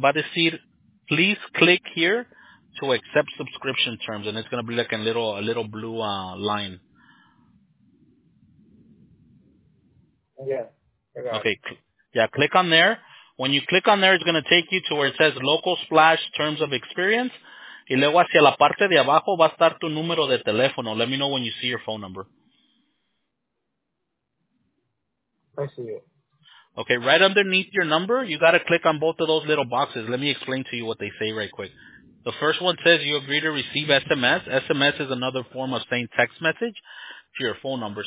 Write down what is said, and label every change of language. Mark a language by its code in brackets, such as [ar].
[es] Va a decir, [en] please click here to accept subscription terms. And it's going to be like a little blue line. Yeah. Okay. Yeah, click on there. When you click on there, it's going to take you to where it says Local Splash Terms of Experience. [es] Y luego hacia la parte de abajo va a estar tu número de teléfono. [en] Let me know when you see your phone number. I see it. Okay, right underneath your number, you got to click on both of those little boxes. Let me explain to you what they say right quick. The first one says you agree to receive SMS. SMS is another form of saying text message to your phone number.